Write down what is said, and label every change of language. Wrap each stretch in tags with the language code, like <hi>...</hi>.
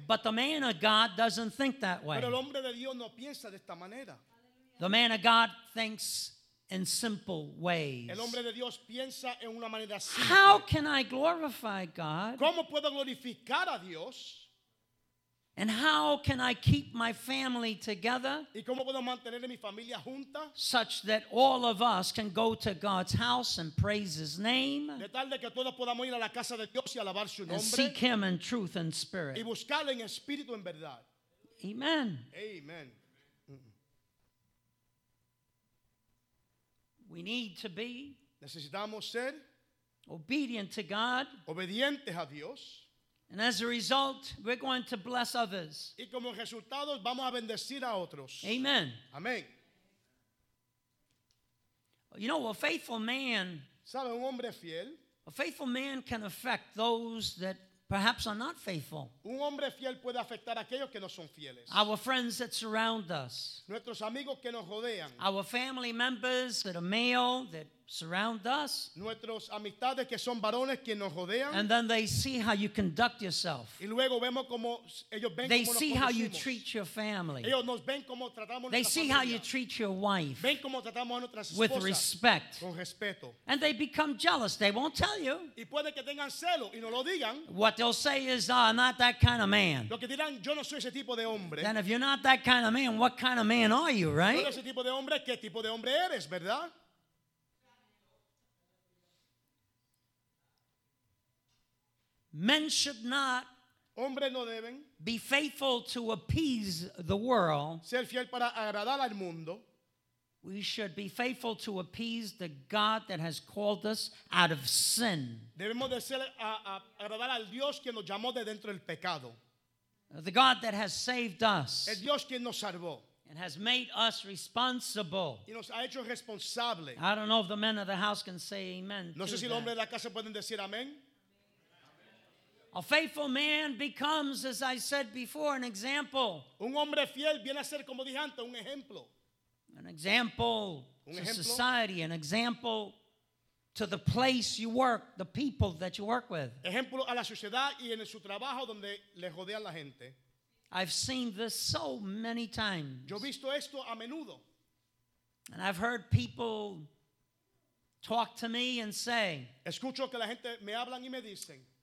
<en>But the man of God doesn't think that way.</en> <es>Pero el hombre de Dios no piensa de esta manera.</es> <en>The man of God thinks in simple ways.</en> <es>El hombre de Dios piensa en una manera simple.</es> <en>How can I glorify God?</en> <es>¿Cómo puedo glorificar a Dios?</es> <en>And how can I keep my family together?</en> <es>¿Y cómo puedo mantener a mi familia junta?</es> <en>Such that all of us can go to God's house and praise His name.</en> <es>De tal de que todos podamos ir a la casa de Dios y alabar su nombre.</es> <en>And seek Him in truth and spirit.</en> <es>Y buscarle en espíritu en verdad.</es> <en>Amen.</en> <es>Amen.</es> <en>We need to be</en> <es>necesitamos ser</es> <en>obedient to God.</en> <es>Obedientes a Dios.</es> <en>And as a result, we're going to bless others.</en> <es>Y como resultados, vamos a bendecir a otros.</es> <en>Amen.</en> <es>Amen.</es> <en>You know, a faithful man,</en> <es>¿sabe, un hombre fiel?</es> <en>A faithful man can affect those that perhaps are not faithful.</en> <es>Un hombre fiel puede afectar a aquellos que no son fieles.</es> <en>Our friends that surround us.</en> <es>Nuestros amigos que nos rodean.</es> <en>Our family members that are male that surround us.</en> <es>Nuestros amistades que son varones que nos rodean.</es> <en>And then they see how you conduct yourself.</en> <es>Y luego vemos como ellos ven</es> <en>they</en> <es>como</es> <en>see</en> <es>nos</es> <en>how you treat your family.</en> <es>Ellos nos ven como tratamos</es> <en>they</en> <es>nuestra</es> <en>see</en> <es>familia.</es> <en>How you treat your wife.</en> <es>Ven como tratamos a nuestras esposas.</es> <en>With respect.</en> <es>Con respeto.</es> <en>And they become jealous. They won't tell you.</en> <es>Y puede que tengan celo y no lo digan.</es> <en>What they'll say is, oh, I'm not that kind of man.</en> <es>Lo que dirán, yo no soy ese tipo de hombre.</es> <en>Then if you're not that kind of man, what kind of man are you, right?</en> <es>No eres ese tipo de hombre, ¿qué tipo de hombre eres, verdad?</es> <en>Men should not</en> <es>hombre no deben</es> <en>be faithful to appease the world.</en> <es>Ser fiel para agradar al mundo.</es> <en>We should be faithful to appease the God that has called us out of sin.</en> <es>Debemos de ser a agradar al Dios que nos llamó de dentro del pecado.</es> <en>The God that has saved us.</en> <es>El Dios quien nos salvó.</es> <en>And has made us responsible.</en> <es>Y nos ha hecho responsable.</es> <en>I don't know if the men of the house can say amen.</en> <es>No sé si los hombres de la casa pueden decir amén.</es> <en>A faithful man becomes, as I said before, an example.</en> <es>Un hombre fiel viene a ser, como dije antes, un ejemplo.</es> <en>An example</en> <es>un</es> <en>to</en> <es>ejemplo.</es> <en>Society, an example to the place you work, the people that you work with.</en> <es>Ejemplo a la sociedad y en su trabajo donde le rodean la gente.</es> <en>I've seen this so many times.</en> <es>Yo he visto esto a menudo.</es> <en>And I've heard people talk to me and say,</en> <es>escucho que la gente me hablan y me dicen,</es>